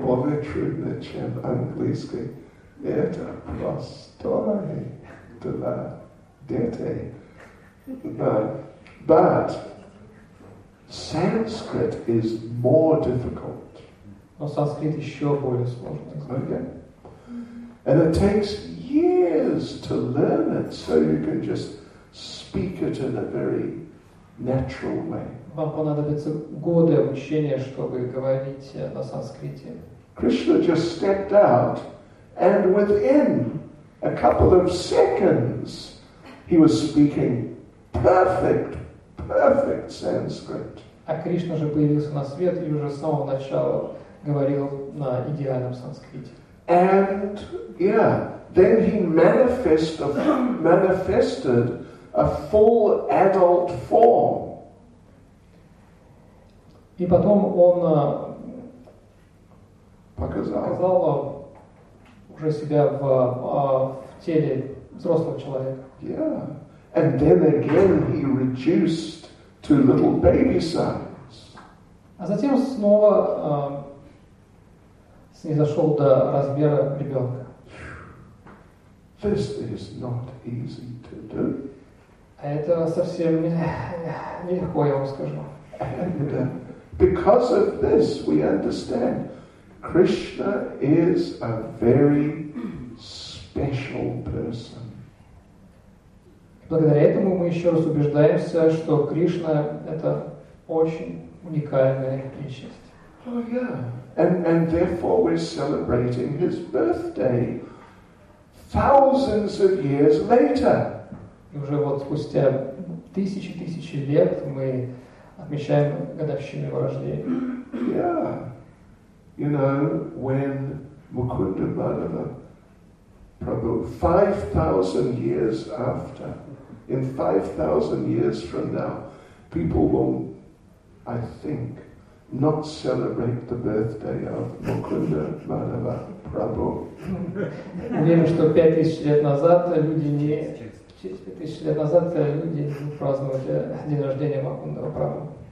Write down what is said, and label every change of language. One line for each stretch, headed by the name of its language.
Russian: Более трудный, чем английский. Это простой для детей.
English: But Sanskrit is more difficult.
Russian: Но санскрит еще более сложный.
English: Okay. And it takes years to learn it, so you can just speak it in a very natural way.
Russian: Вам понадобятся годы обучения, чтобы говорить на санскрите.
English: Krishna just stepped out, and within a couple of seconds, he was speaking perfect, perfect Sanskrit.
Russian: А Кришна же появился на свет и уже с самого начала говорил на идеальном санскрите.
English: And yeah. Then he manifested a full adult form.
Russian: И потом он показал уже себя в теле взрослого человека.
English: Yeah. And then again he reduced to little baby size.
Russian: А затем снова снизошел до размера ребенка.
English: This is not easy to do.
Russian: Это совсем нелегко, я вам скажу.
English: And because of this, we understand Krishna is a very special person.
Russian: Благодаря этому мы еще раз убеждаемся, что Кришна это очень уникальная личность.
English: Oh yeah. And therefore we're celebrating his birthday. Thousands of years later.
Russian: И уже вот спустя тысячи лет мы отмечаем годовщину его рождения.
English: Yeah. You know, when Mukunda Madhava Prabhu, 5,000 years after, in 5,000 years from now, people will, I think, not celebrate the birthday of Mukunda Madhava Prabhu.
Russian: Уверен, что 5000 лет назад люди не... Через 5000 лет назад люди будут праздновать день рождения Мукунды Прабху.